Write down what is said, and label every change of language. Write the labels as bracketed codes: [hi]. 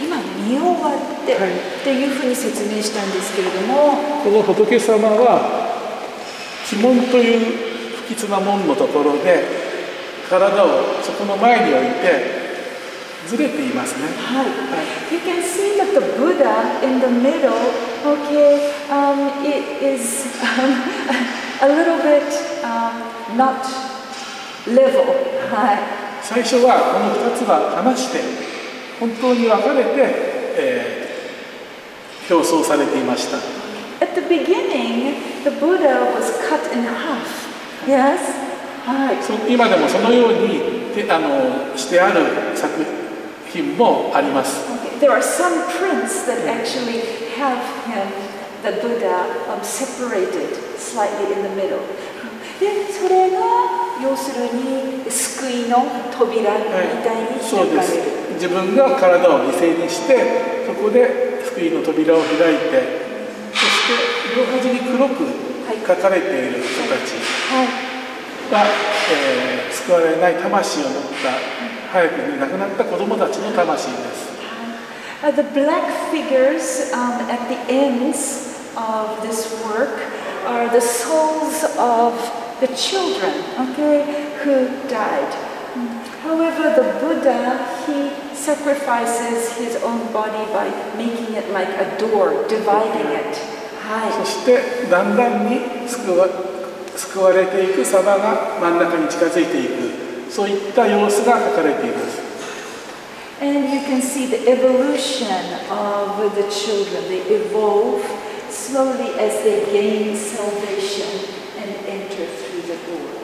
[ja] 今見終わって、はい、っていうふうに説明したんですけれども、この仏様は鬼門という不吉な門のところで体をそこの前に置いてずれていますね。 [en] はい、はい、You can see that the Buddha in the middle, okay, it is a little bit not level. [ja] はい。最初はこの2つが離して本当に分かれて、表層されていました。 [en] At the beginning, the Buddha was cut in half. Yes. [ja] はい。今でもそのようにしてある作品もあります。 [en] Okay. There are some prints that actually have him, the Buddha, separated slightly in the middle. [ja] で、それが要するに救いの扉みたいに開かれる。はい、そうです。自分が体を犠牲にして、そこで救いの扉を開いて、そして両端に黒く書かれている人たちが、救われない魂を持った早くに亡くなった子供たちの魂です。 [en] The black figures at the ends of this work are the souls of the children, okay, who died. However, the Buddha, he sacrifices his own body by making it like a door, dividing it. [ja] はい。そしてだんだんに救われていく様が真ん中に近づいていく、そういった様子が描かれています。 [en] And you can see the evolution of the children. They evolve slowly as they gain salvation and enter through the door.